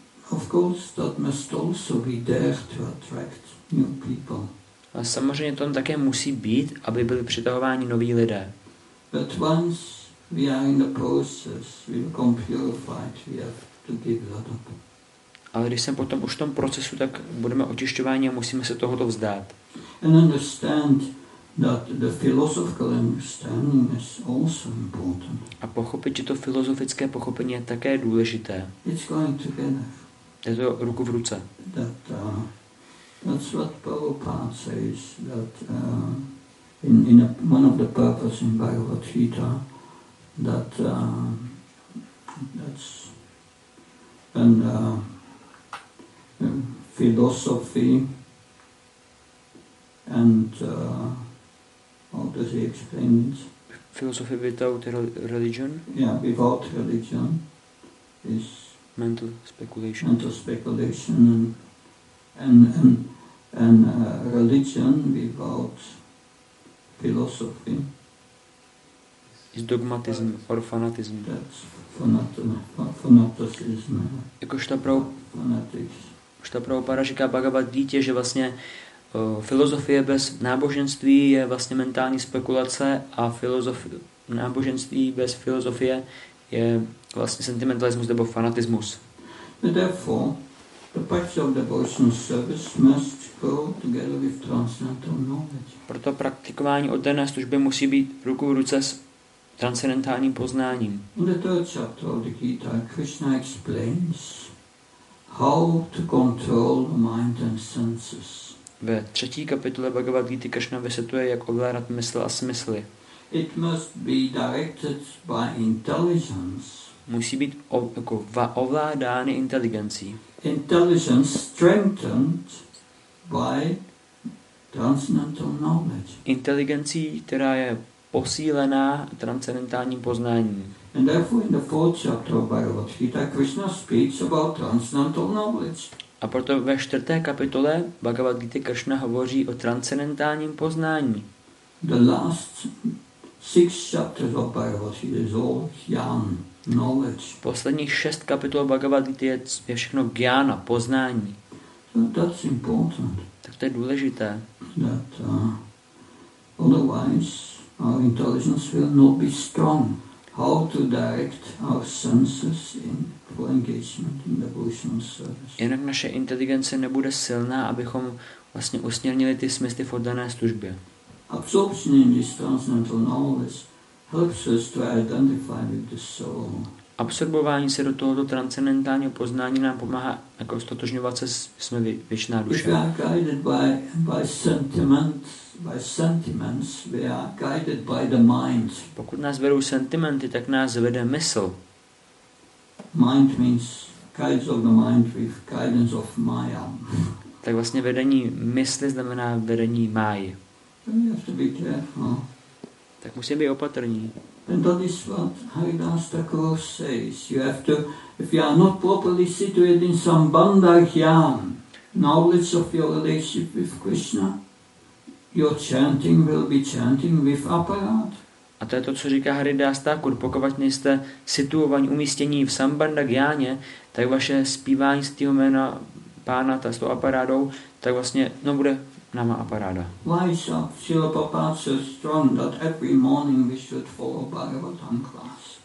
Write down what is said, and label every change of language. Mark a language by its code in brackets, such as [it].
[en] Of course, that must also be there to attract new people. [cs] A samozřejmě to také musí být, aby byli přitahováni noví lidé. [en] But once we are in the process, we become purified, we have to give that up. [cs] Ale když jsem potom už v tom procesu, tak budeme očišťováni a musíme se tohoto vzdát. [en] And understand that the philosophical understanding is also important. [cs] A pochopit, že to filozofické pochopení je také důležité. [en] It's going together. [cs] Je to ruku v ruce. [en] That, that's what Prabhupada says, that in a, one of the purpose in Bhagavad Gita, that that's and philosophy and how does he explain it? Philosophy without religion? Yeah, without religion is mental speculation. Mental speculation and religion without philosophy. Is dogmatism or fanatism? That's fanaticism. [cs] Jakož ta Prabhupada říká Bhagavad Gita, že vlastně filozofie bez náboženství je vlastně mentální spekulace a náboženství bez filozofie je vlastně sentimentalismus nebo fanatismus. [en] Therefore, the practice of devotional service must go together with transcendental knowledge. [cs] Proto praktikování oddané služby musí být ruku v ruce s transcendentálním poznáním. [en] In the third chapter of the Gita, Krishna explains how to control the mind and senses. [cs] Ve třetí kapitole Bhagavad Gita Krishna vysvětluje, jak ovládat mysl a smysly. [en] It must be directed by intelligence. [cs] musí být ovládány inteligencí. [en] Intelligence strengthened by transcendental knowledge. [cs] Inteligencí, která je posílená transcendentálním poznáním. [en] And therefore in the fourth chapter of Bhagavad Gita Krishna speaks about transcendental knowledge. [cs] A proto ve čtvrté kapitole Bhagavad Gita Krishna hovoří o transcendentálním poznání. [en] The last six chapters of Bhagavad Gita is all jnana, knowledge. [cs] Posledních šest kapitol Bhagavad Gita je všechno jnana, poznání. [en] So that's important. [cs] Tak to je důležité. [en] That, otherwise our intelligence will not be strong. How to direct our senses in full engagement in devotional service. [cs] Jinak naše inteligence nebude silná, abychom vlastně usměrnili ty smysly v oddané službě. [en] Absorption in this transcendental knowledge helps us to identify with the soul. [cs] Absorbování se do tohoto transcendentálního poznání nám pomáhá jako ztotožňovat se s věčná duše. [en] We are guided by sentiments, we are guided by the mind. [cs] Pokud nás vedou sentimenty, tak nás vede mysl. [en] Mind means guides of the mind with guidance of Maya. [cs] Tak vlastně vedení mysli znamená vedení Máji. [en] You have to be careful. [cs] Tak musím být opatrný. [en] And that is what Haridas Thakur says. You have to, if you are not properly situated in Sambandha Gyan, knowledge of your relationship with Krishna, your chanting will be chanting with aparat. [cs] A to je to, co říká Haridas Thakur. Pokud nejste situovaní, umístění v Sambandha Gyaně, tak vaše zpívání z tého jména pána s tou aparádou, tak vlastně no, bude nama aparáda. [en] Why is Srila Prabhupada so strong that every morning we should follow Bhagavatam class?